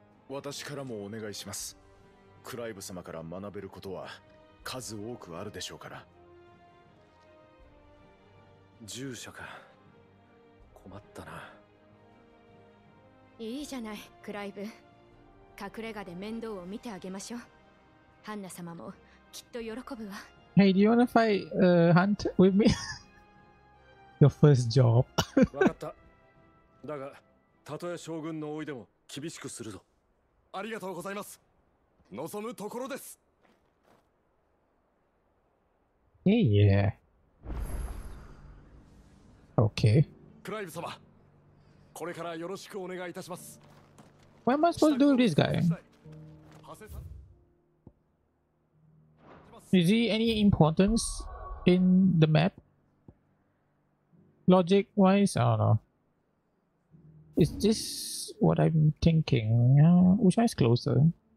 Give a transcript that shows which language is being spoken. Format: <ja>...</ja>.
<ja>私からもお願いします。クライブ様から学べることは数多くあるでしょうから。従者か、困ったな。いいじゃないクライブ、隠れ家で面倒を見てあげましょう。ハンナ様もきっと喜ぶわ。</ja> <en>Hey, do you wanna fight a hunter with me? Your first job.</en> <ja>わかった。だが、たとえ将軍の甥でも厳しくするぞ。ありがとうございます。望むところです。</ja> <en>Hey, yeah. Okay.</en> <ja>クライブ様、これからよろしくお願いいたします。</ja> <en>What am I supposed to do with this guy? Is he any importance in the map? Logic wise, I don't know. Is this what I'm thinking? Which one is closer?</en>